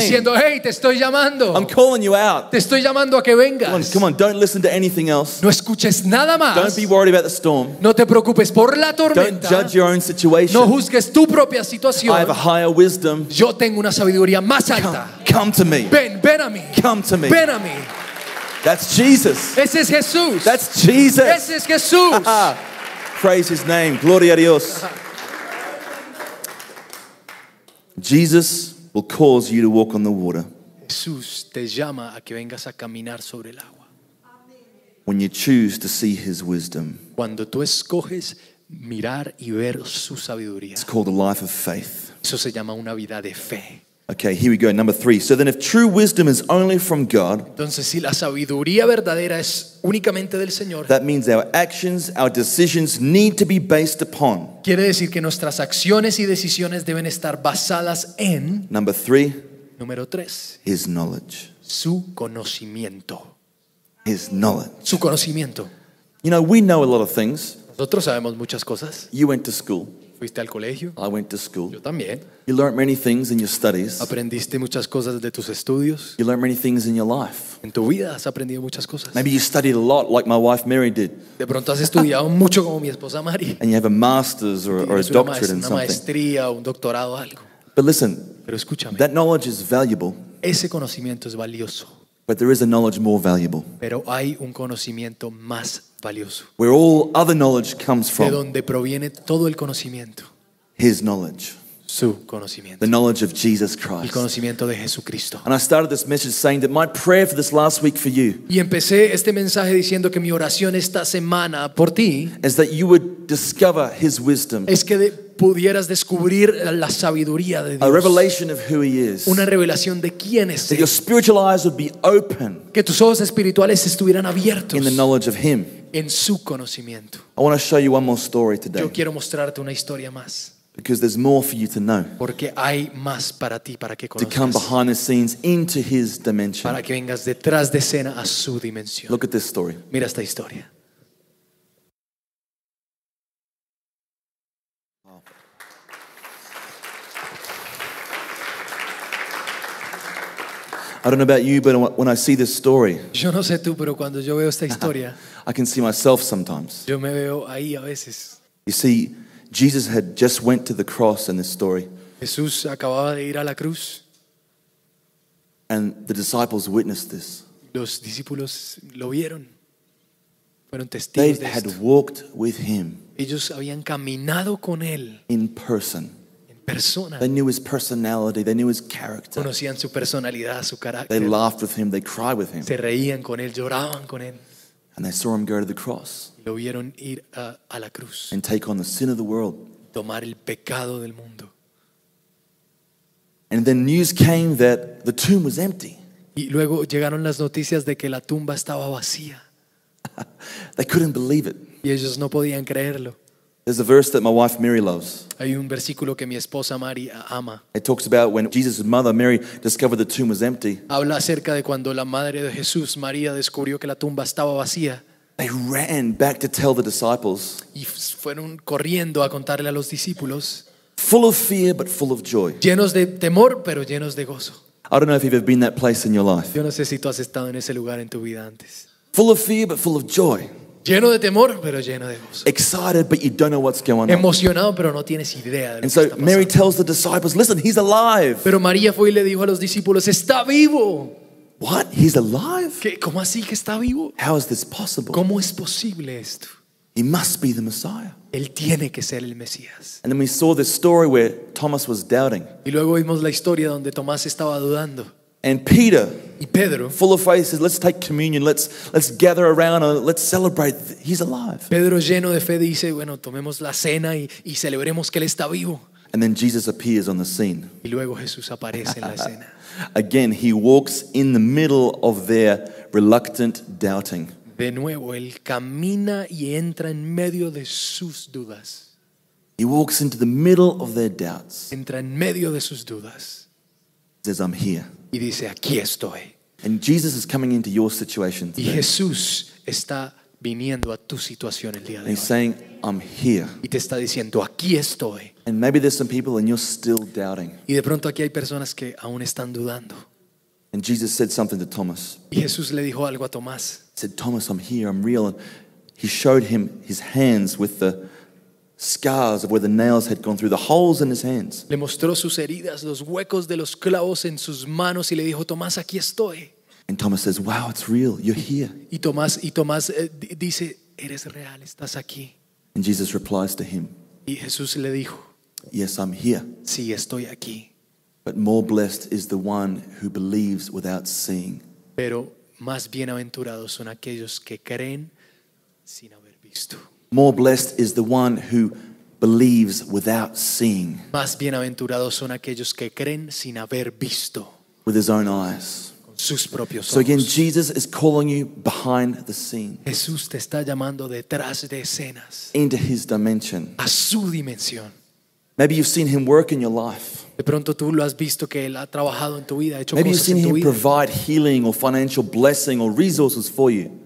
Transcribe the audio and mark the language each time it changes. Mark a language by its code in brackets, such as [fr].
[es] Diciendo, "Hey, te estoy llamando." [en] I'm calling you out. [es] Te estoy llamando a que vengas. [en] Come on, don't listen to anything else. [es] No escuches nada más. [en] Don't be worried about the storm. [es] No te preocupes por la tormenta. [en] Don't judge your own situation. [es] No juzgues tu propia situación. [en] I have a higher wisdom. [es] Yo tengo una sabiduría más alta. [en] Come to me. [es] Ven a mí. [en] Come to me. [es] Ven a mí. [en] That's Jesus. [es] Ese es Jesús. [en] That's Jesus. [es] Ese es Jesús. [en] Praise his name. [es] Gloria a Dios. [en] Jesus will cause you to walk on the water. [es] Jesús te llama a que vengas a caminar sobre el agua. [en] When you choose to see his wisdom. [es] Cuando tú escoges mirar y ver su sabiduría. [en] It's called a life of faith. [es] Eso se llama una vida de fe. [en] Okay, here we go, number three. So then if true wisdom is only from God, [es] entonces, si la sabiduría verdadera es únicamente del Señor, [en] that means our actions, our decisions need to be based upon. [es] Quiere decir que nuestras acciones y decisiones deben estar basadas en, [en] number three, [es] número tres, [en] his knowledge. [es] Su conocimiento. [en] His knowledge. [es] Su conocimiento. [en] You know, we know a lot of things. [es] Nosotros sabemos muchas cosas. [en] You went to school. [es] Fuiste al colegio. [en] I went to school. [es] Yo también. [en] You learned many things in your studies. [es] Aprendiste muchas cosas de tus estudios. [en] You learned many things in your life. [es] En tu vida has aprendido muchas cosas. [en] Maybe you studied a lot, like my wife Mary did. [es] De pronto has estudiado mucho como mi esposa Mary. [en] And you have a master's or a doctorate in something. [es] Una maestría o un doctorado o algo. [en] But listen. [es] Pero escúchame. [en] That knowledge is valuable. [es] Ese conocimiento es valioso. [en] But there is a knowledge more valuable. [es] Pero hay un conocimiento más valioso. [en] Where all other knowledge comes from. [es] De donde proviene todo el conocimiento. [en] His knowledge. [es] Su conocimiento. [en] The knowledge of Jesus Christ. [es] El conocimiento de Jesucristo. [en] And I started this message saying that my prayer for this last week for you. [es] Y empecé este mensaje diciendo que mi oración esta semana por ti. [en] Is that you would discover His wisdom. [es] Es que pudieras descubrir la sabiduría de Dios. [en] A revelation of who He is. [es] Una revelación de quién es. [en] That your spiritual eyes would be open. [es] Que tus ojos espirituales estuvieran abiertos. [en] In the knowledge of Him. [es] En su conocimiento. [en] I want to show you one more story today. [es] Yo quiero mostrarte una historia más. [en] Because there's more for you to know. [es] Porque hay más para ti para que conozcas. [en] To come behind the scenes into His dimension. [es] Para que vengas detrás de escena a su dimensión. [en] Look at this story. [es] Mira esta historia. [en] I don't know about you, but when I see this story, [es] yo no sé tú, pero cuando yo veo esta historia, [en] I can see myself sometimes. [es] Yo me veo ahí a veces. [en] You see, Jesus had just went to the cross in this story. [es] Jesús acababa de ir a la cruz. [en] And the disciples witnessed this. [es] Los discípulos lo vieron. Fueron testigos de esto. [en] They had walked with him. [es] Ellos habían caminado con él. [en] In person. [es] Persona. [en] They knew his personality. They knew his character. [es] Conocían su personalidad, su carácter. [en] They laughed with him. They cried with him. [es] Se reían con él, lloraban con él. [en] And they saw him go to the cross. [es] Lo vieron ir a la cruz. [en] And take on the sin of the world. [es] Tomar el pecado del mundo. [en] And then news came that the tomb was empty. [es] Y luego llegaron las noticias de que la tumba estaba vacía. [en] They couldn't believe it. [es] Y ellos no podían creerlo. [en] There's a verse that my wife Mary loves. [es] Hay un versículo que mi esposa Mary ama. [en] It talks about when Jesus' mother Mary discovered the tomb was empty. [es] Habla acerca de cuando la madre de Jesús María descubrió que la tumba estaba vacía. [en] They ran back to tell the disciples. [es] Y fueron corriendo a contarle a los discípulos. [en] Full of fear but full of joy. [es] Llenos de temor pero llenos de gozo. [en] I don't know if you've ever been that place in your life. [es] Yo no sé si tú has estado en ese lugar en tu vida antes. [en] Full of fear but full of joy. [es] Lleno de temor, pero lleno de gozo. [en] Excited, but you don't know what's going on. [es] Emocionado, pero no tienes idea de lo que está pasando. [en] Mary tells the disciples, "Listen, he's alive." [es] Pero María fue y le dijo a los discípulos, "Está vivo." [en] What? He's alive? [es] ¿Qué? ¿Cómo así que está vivo? [en] How is this possible? [es] ¿Cómo es posible esto? [en] He must be the Messiah. [es] Él tiene que ser el Mesías. [en] And then we saw this story where Thomas was doubting. [es] Y luego vimos la historia donde Tomás estaba dudando. [en] And Peter, [es] y Pedro, [en] full of faith, says, "Let's take communion. Let's gather around and let's celebrate. He's alive." [es] Pedro, lleno de fe, dice, "Bueno, tomemos la cena y celebremos que él está vivo." [en] And then Jesus appears on the scene. [es] Y luego Jesús aparece en la escena. [en] Again, he walks in the middle of their reluctant doubting. [es] De nuevo, él camina y entra en medio de sus dudas. [en] He walks into the middle of their doubts. [es] Entra en medio de sus dudas. [en] He says, "I'm here." [es] Y dice, aquí estoy. [en] And Jesus is coming into your situation today. [es] Y Jesús está viniendo a tu situación el día de hoy. [en] And he's saying, "I'm here." [es] Y te está diciendo, aquí estoy. [en] And maybe there's some people and you're still doubting. [es] Y de pronto aquí hay personas que aún están dudando. [en] And Jesus said something to Thomas. [es] Y Jesús le dijo algo a Tomás. [en] He said, "Thomas, I'm here, I'm real." And he showed him his hands with the scars of where the nails had gone through, the holes in his hands. [es] Le mostró sus heridas, los huecos de los clavos en sus manos, y le dijo, "Tomás, aquí estoy." [en] And Thomas says, "Wow, it's real. You're here." [es] Y Tomás dice, "Eres real, estás aquí." [en] And Jesus replies to him. [es] Y Jesús le dijo, [en] "Yes, I'm here. [es] Sí, estoy aquí." [en] But more blessed is the one who believes without seeing. [es] Pero más bienaventurados son aquellos que creen sin haber visto. [en] More blessed is the one who believes without seeing. [es] Más bienaventurados son aquellos que creen sin haber visto. [en] With his own eyes. [es] Con sus propios ojos. [en] So again, Jesus is calling you behind the scene. [es] Jesús te está llamando detrás de escenas. [en] Into his dimension. [es] A su dimensión. [en] Maybe you've seen him work in your life. [es] De pronto tú lo has visto que él ha trabajado en tu vida, hecho cosas en tu vida. [en] Maybe you've seen him provide healing or financial blessing or resources for you.